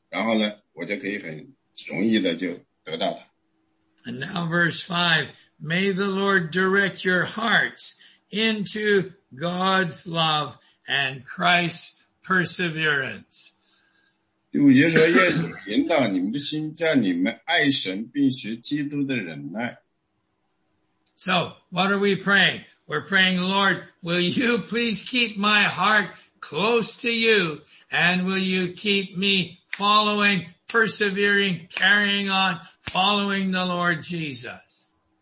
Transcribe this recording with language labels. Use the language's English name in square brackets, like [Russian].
[Chinese] 你要想得到主的保护，你就会必须顺服那些魔鬼，他通常就说，哎，这个人他不顺服神，然后呢，我就可以很容易的就得到他。 [English] And now verse 5, may the Lord direct your hearts into God's love and Christ's perseverance. [Chinese] 第五节说，愿主引导你们的心，叫你们爱神，并学基督的忍耐。 [English] So, what are we praying? We're praying, Lord, will you please keep my heart close to you, and will you keep me following, persevering, carrying on, following the Lord Jesus.